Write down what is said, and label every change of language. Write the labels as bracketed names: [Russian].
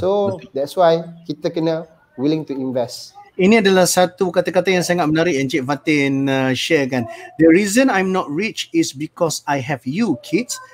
[English] So that's why [Malay] kita kena [English] willing to invest. [Malay] Ini adalah satu kata-kata yang sangat menarik yang Cik Fatin sharekan. [English] The reason I'm not rich is because I have you kids.